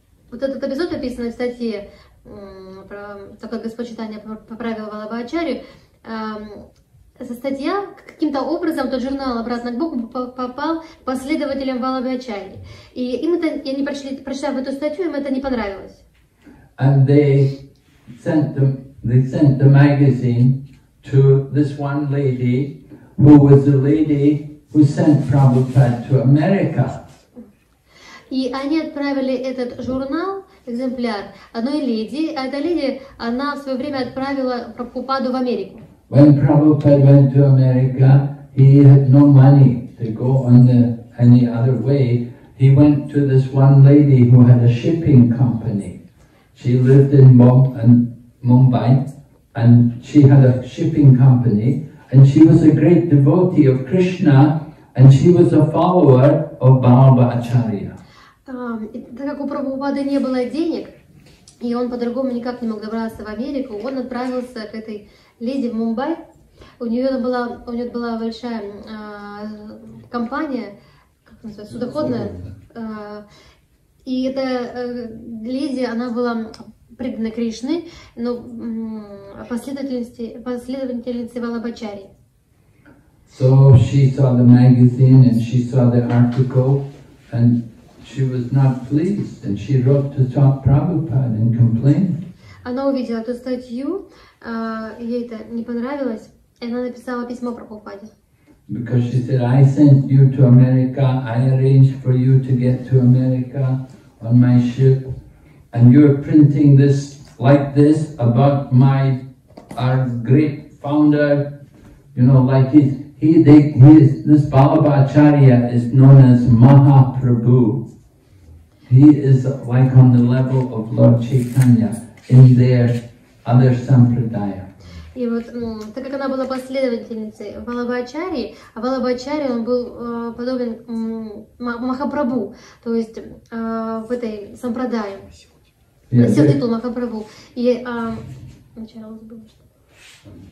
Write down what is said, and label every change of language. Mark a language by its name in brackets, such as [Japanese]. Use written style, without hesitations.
[Russian] Вот этот эпизод описан в статье про то, как Господь Чайтанья поправил Балабху Ачарью. Эта статья каким-то образом в тот журнал «Обратно к Богу» попал последователям Балабхи Ачарьи. И им это, и они прочитав эту статью, им это не понравилось. [English] And they sent the magazine to this one lady who was the lady who sent Prabhupada to America. [Russian] И они отправили этот журнал, экземпляр, одной леди, а эта леди, она в свое время отправила Прабхупаду в Америку. [English] When Prabhupada went to America, he had no money to go on any other way. He went to this one lady who had a shipping company. She lived in Mumbai, and she had a shipping company, and she was a great devotee of Krishna, and she was a follower of Balabha Acharya. [Russian] Так как у Прабхупады не было денег, и он по-другому никак не мог добраться в Америку, он отправился к этой леди в Мумбай. У нее была большая компания, как называется, судоходная. И эта леди, она была предана Кришне, но последовательницей Балабха Ачарьи. [English] So she saw the magazine and she saw the article, and she was not pleased, and she wrote to talk Prabhupada and complained. [Russian] Она увидела эту статью, ей это не понравилось, и она написала письмо Прабхупаде. [English] Because she said, I sent you to America, I arranged for you to get to America on my ship, and you're printing this like this about my our great founder, you know, like this Balabha Acharya is known as Mahaprabhu. He is like on the level of Lord Chaitanya in their other sampradaya. [Russian] И вот, так как она была последовательницей Балабха Ачарьи, а Балабха Ачарья, он был подобен Махапрабху, то есть в этой сампрадае. Святитул Махапрабху. И сначала забыла, что...